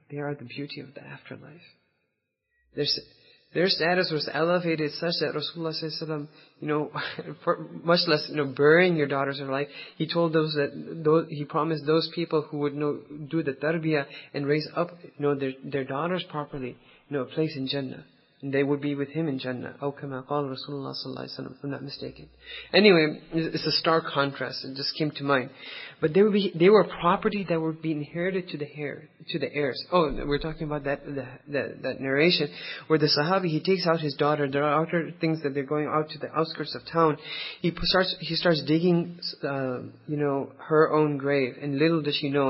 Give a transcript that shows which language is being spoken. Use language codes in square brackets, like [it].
[en] They are the beauty of the afterlife. Their status was elevated such that Rasulullah sallallahu alaihi wasallam, you know, much less, you know, burying your daughters in life, he told he promised those people who would do the tarbiyah and raise up, you know, their daughters properly, you know, a place in Jannah. And they would be with him in Jannah. [ar] أو كما قال رسول الله صلى الله عليه وسلم, [en] if I'm not mistaken. Anyway, it's a stark contrast. It just came to mind. But they were property that would be inherited to the heirs. Oh, we're talking about that narration where the Sahabi, he takes out his daughter. There are other things that they're going out to the outskirts of town. He starts digging, her own grave. And little does she know.